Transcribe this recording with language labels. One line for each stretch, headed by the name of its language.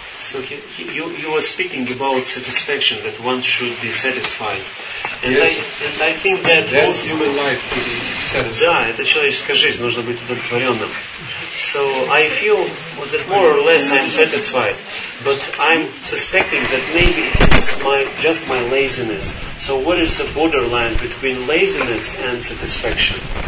English: So you were speaking about satisfaction, that one should be satisfied. And yes. I think that that's also, human life to be satisfied.
Russian: Да, это человеческая жизнь, нужно быть удовлетворенным.
English: So I feel that more or less I'm satisfied, but I'm suspecting that maybe it's just my laziness. So what is the borderline between laziness and satisfaction?